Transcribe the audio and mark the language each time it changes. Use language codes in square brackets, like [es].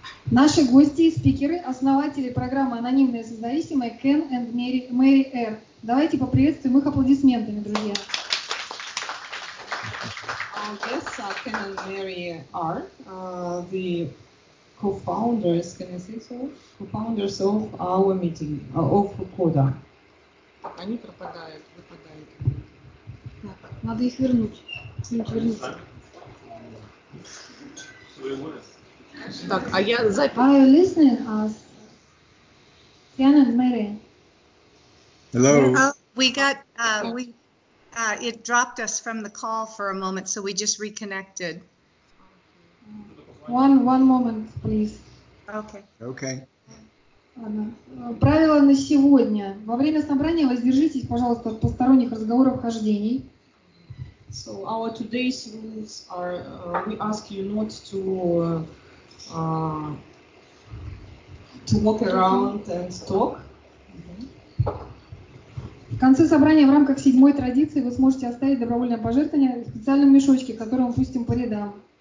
[ru] Наши гости и спикеры – основатели программы «Анонимные созависимые» Ken and Mary R. Давайте поприветствуем их аплодисментами, друзья. [en] Our guests are Ken and Mary R., the co-founders, can I say so? Co-founders of our meeting, of CODA. [ru] Они пропадают, выпадают. Так, надо их вернуть. Им вернуться. Так, а я записываю. [en] Are you listening to us? Ken and Mary. Hello. It dropped us from the call for a moment, so we just reconnected. One moment, please. Okay. [ru] Правило на сегодня. Во время собрания воздержитесь, пожалуйста, от посторонних разговоров, хождений. [en] So our today's rules are, we ask you not to to walk around and talk. [ru] В конце собрания в рамках седьмой традиции вы сможете оставить добровольное пожертвование в специальном мешочке, который мы пустим по рядам.